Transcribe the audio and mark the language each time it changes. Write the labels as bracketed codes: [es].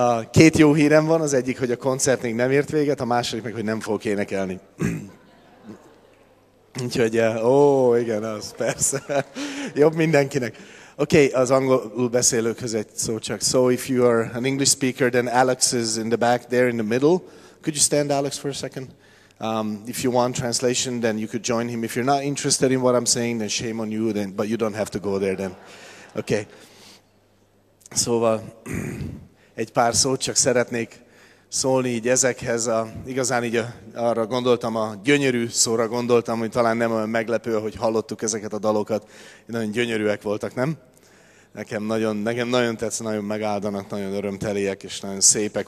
[hu] Két jó hírem van, az egyik, hogy a koncert még nem ért véget, a második meg, hogy nem fogok énekelni. Úgyhogy, ó, igen, az persze. Jobb mindenkinek. Okay, az angolul beszélőkhöz egy szó csak. [en] So if you are an English speaker, then Alex is in the back, there in the middle. Could you stand, Alex, for a second? If you want translation, then you could join him. If you're not interested in what I'm saying, then shame on you, then, but you don't have to go there then. Okay. [hu] Szóval egy pár szót csak szeretnék szólni így ezekhez. Arra gondoltam, a gyönyörű szóra gondoltam, hogy talán nem olyan meglepő, hogy hallottuk ezeket a dalokat. Nagyon gyönyörűek voltak, nem? Nekem nagyon tetszik, nagyon megáldanak, nagyon örömteliek és nagyon szépek.